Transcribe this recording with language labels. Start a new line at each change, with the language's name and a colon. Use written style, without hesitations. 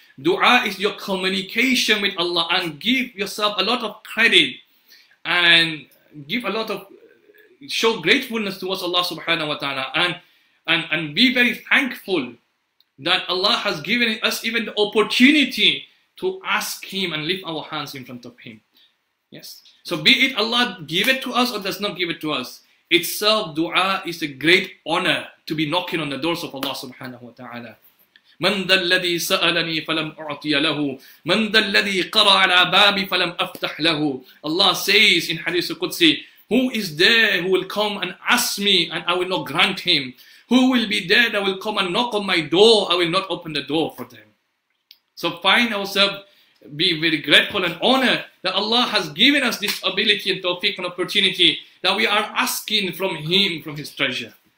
English: Dua is your communication with Allah, and give yourself a lot of credit and give a lot of, show gratefulness towards Allah subhanahu wa ta'ala, and be very thankful that Allah has given us even the opportunity to ask Him and lift our hands in front of Him. Yes. So be it Allah give it to us or does not give it to us, itself dua is a great honor to be knocking on the doors of Allah subhanahu wa ta'ala.
Arabic: من ذا الذي سألني فلم أعطي له من ذا الذي قرأ على بابي فلم أفتح له.
English: Allah says in Hadith Qudsi, who is there who will come and ask me and I will not grant him? Who will be there that will come and knock on my door? I will not open the door for them. So find ourselves, be very grateful and honored that Allah has given us this ability and tawfiq and opportunity that we are asking from Him, from His treasure.